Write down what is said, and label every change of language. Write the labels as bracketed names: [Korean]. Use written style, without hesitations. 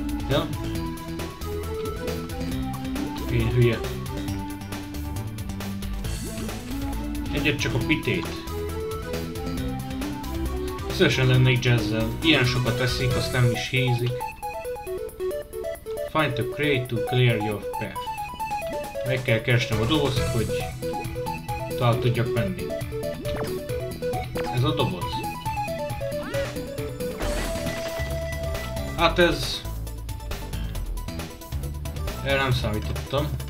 [Hungarian] Ja? Én hülye. Egyet csak a pitét. Szívesen lennék jazzel. Ilyen sokat eszik, azt nem is hízik. [English] Find the crate to clear your path. [Hungarian] Meg kell keresnem a dobozt, hogy tovább tudjak menni. Ez a doboz. Hát ez... Erre nem számítottam.